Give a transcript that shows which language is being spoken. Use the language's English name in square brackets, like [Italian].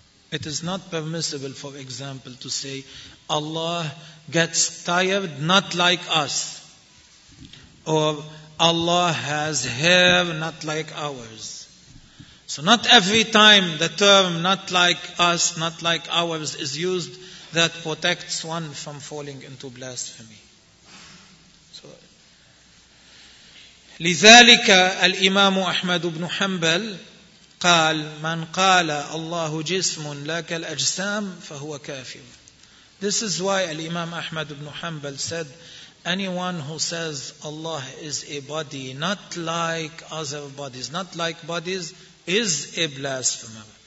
[English] It is not permissible, for example, to say Allah gets tired not like us, or Allah has hair not like ours. So not every time the term not like us, not like ours is used, that protects one from falling into blasphemy. [Arabic] So, لذلك الإمام أحمد بن حنبل قال من قال الله جسم لا كالأجسام فهو كافر. [English] This is why Imam Ahmad ibn Hanbal said, anyone who says Allah is a body not like other bodies, not like bodies, is a blasphemer.